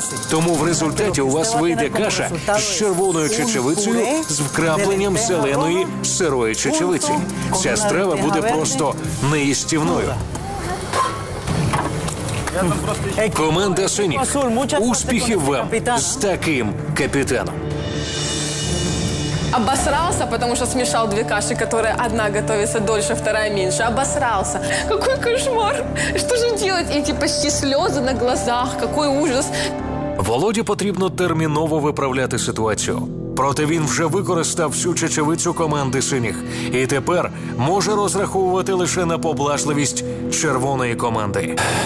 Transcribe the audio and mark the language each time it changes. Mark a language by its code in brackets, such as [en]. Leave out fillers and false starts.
[uk] Тому в результаті у вас вийде каша з червоною чечевицею з вкрапленням зеленої сирої чечевиці. Ця страва буде просто неїстівною. Команда синіх. Успіхів вам з таким капітаном. [ru] Обосрался, потому что смешал 2 каши, которые одна готовится дольше, вторая меньше. Обосрался. Какой кошмар. Что же делать? Эти почти слезы на глазах. Какой ужас. [uk] Володі потрібно терміново виправляти ситуацію. Проте він вже використав всю чечевицю команди синіх. І тепер може розраховувати лише на поблажливість червоної команди.